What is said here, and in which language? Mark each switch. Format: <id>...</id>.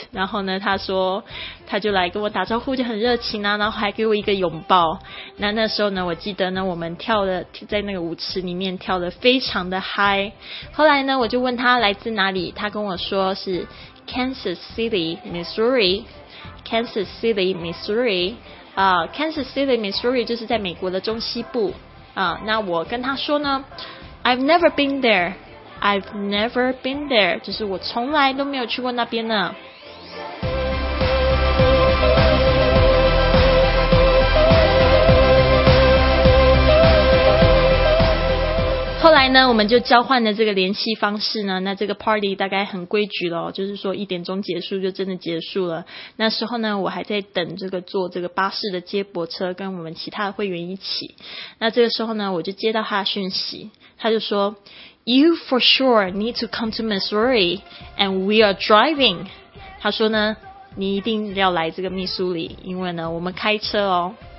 <zh>然后呢，他说他就来跟我打招呼，就很热情啊，然后还给我一个拥抱。那那时候呢，我记得呢，我们跳的在那个舞池里面跳的非常的嗨。后来呢，我就问他来自哪里，他跟我说是 Kansas City, Missouri。 Kansas City, Missouri， Kansas City, Missouri 就是在美国的中西部。那我跟他说呢 ，</zh> <en>I've never been there,</en> <zh>I've never been there， 就是我从来都没有去过那边呢。后来呢，我们就交换了这个联系方式呢。那这个 party 大概很规矩咯，就是说一点钟结束就真的结束了。那时候呢，我还在等这个坐这个巴士的接驳车，跟我们其他的会员一起。那这个时候呢，我就接到他的讯息，他就说</zh> <en>You for sure need to come to Missouri and we are driving。</en> <zh>他说呢，你一定要来这个密苏里，因为呢，我们开车哦。</zh>